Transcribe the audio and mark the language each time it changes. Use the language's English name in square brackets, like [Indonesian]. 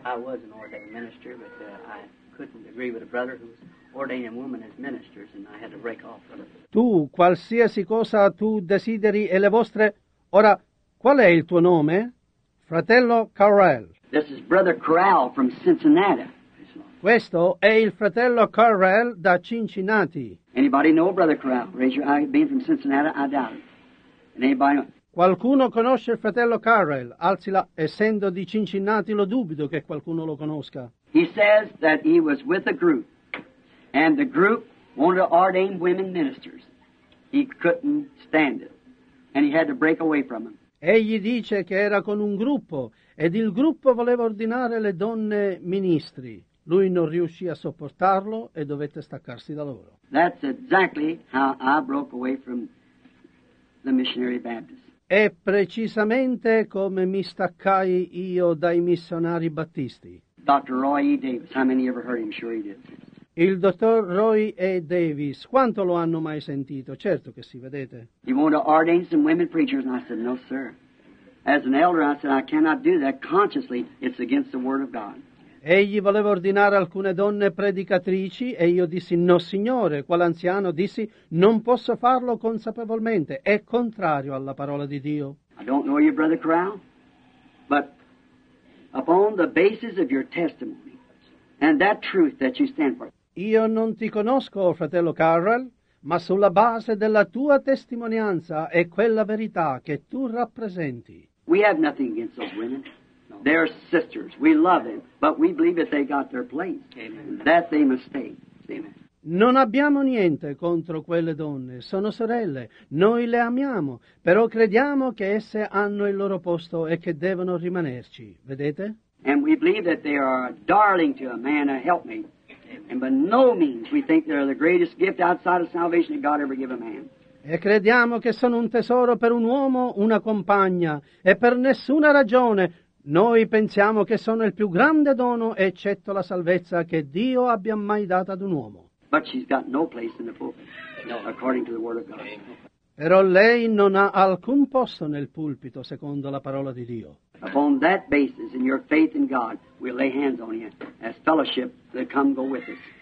[English] I was an ordained minister, but I couldn't agree with a brother who was ordained a woman as ministers, and I had to break off. [Italian] Tu, qualsiasi cosa tu desideri e le vostre... Ora, qual è il tuo nome? Fratello Correll. [English] This is Brother Correll from Cincinnati. [Italian] Questo è il fratello Correll da Cincinnati. [English] Anybody know Brother Correll? Raise your eye. Being from Cincinnati, I doubt it. Anybody know? [Italian] Qualcuno conosce il fratello Correll? Alzi la, essendo di Cincinnati, lo dubito che qualcuno lo conosca. [English] He says that he was with a group And the group wanted to ordain women ministers. He couldn't stand it. And he had to break away from them. [Italian] Egli dice che era con un gruppo ed il gruppo voleva ordinare le donne ministri. Lui non riuscì a sopportarlo e dovette staccarsi da loro. [English] That's exactly how I broke away from the missionary Baptist. [Italian] È precisamente come mi staccai io dai missionari battisti. [English] Dr. Roy E. Davis, how many ever heard him? Sure he did. [Italian] Il dottor Roy E. Davis, quanto lo hanno mai sentito? Certo che sì, vedete. [English] He wanted to ordain some women preachers, and I said, no, sir. As an elder, I said, I cannot do that consciously. It's against the Word of God. [Italian] Egli voleva ordinare alcune donne predicatrici e io dissi no signore, qual anziano dissi non posso farlo consapevolmente, è contrario alla parola di Dio. [English] I don't know you, Brother Crowell, but upon the basis of your testimony and that truth that you stand for. [Italian] Io non ti conosco, fratello Carrel, ma sulla base della tua testimonianza e quella verità che tu rappresenti. [English] We have nothing against those women. They're sisters. We love them, but we believe that they got their place. Amen. That they must stay. Amen. [Italian] Non abbiamo niente contro quelle donne. Sono sorelle. Noi le amiamo, però crediamo che esse hanno il loro posto e che devono rimanerci. Vedete? [English] And we believe that they are a darling to a man, a helpmate. And by no means we think they are the greatest gift outside of salvation that God ever gave a man. [Italian] E crediamo che sono un tesoro per un uomo, una compagna, e per nessuna ragione noi pensiamo che sono il più grande dono, eccetto la salvezza, che Dio abbia mai dato ad un uomo. [English] But she's got no place in the pulpit, no, according to the Word of God. [Italian] Però lei non ha alcun posto nel pulpito, secondo la parola di Dio. [English] Upon that basis, in your faith in God, we'll lay hands on you as fellowship that come go with us.